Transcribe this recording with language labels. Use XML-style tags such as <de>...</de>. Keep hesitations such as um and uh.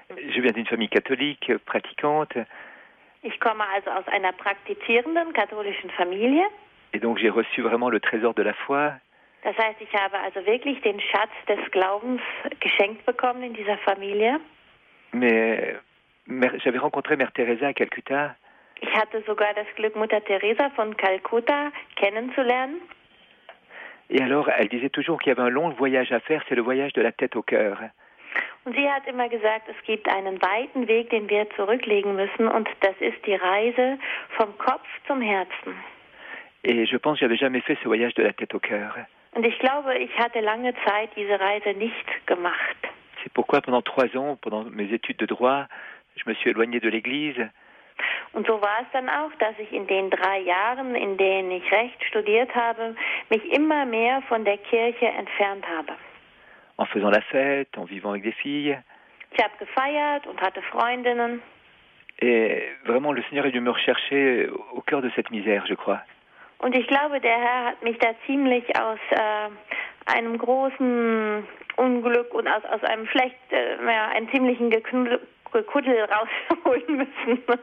<fr>Je viens d'une famille catholique, pratiquante.</fr> <de>Ich komme also aus einer praktizierenden katholischen Familie.</de> <fr>Et donc j'ai reçu vraiment le trésor de la foi.</fr> <de>Das heißt, ich habe also wirklich den Schatz des Glaubens geschenkt bekommen in dieser Familie.</de> <fr>Mais, mais j'avais rencontré Mère Teresa à Calcutta.</fr> <de>Ich hatte sogar das Glück, Mutter Teresa von Calcutta kennenzulernen.</de> <fr>Et alors, elle disait toujours qu'il y avait un long voyage à faire, c'est le voyage de la tête au cœur.</fr> <de>Und sie hat immer gesagt, es gibt einen weiten Weg, den wir zurücklegen müssen, und das ist die Reise vom Kopf zum Herzen.</de> <fr>Et je pense que j'avais jamais fait ce voyage de la tête au cœur.</fr> <de>Und ich glaube, ich hatte lange Zeit diese Reise nicht gemacht.</de> <fr>C'est pourquoi pendant trois ans, pendant mes études de droit, je me suis éloigné de l'Église.</fr> <de>Und so war es dann auch, dass ich in den drei Jahren, in denen ich Recht studiert habe, mich immer mehr von der Kirche entfernt habe.</de> <fr>En faisant la fête, en vivant avec des filles.</fr> <de>Ich habe gefeiert und hatte Freundinnen.</de> <fr>Et vraiment, le Seigneur est venu me rechercher au cœur de cette misère, je crois.</fr> <de>Und ich glaube, der Herr hat mich da ziemlich aus äh, einem großen Unglück und aus, aus einem schlecht, äh, ja, einem ziemlichen Geknüll Kuddel rausholen müssen.</de>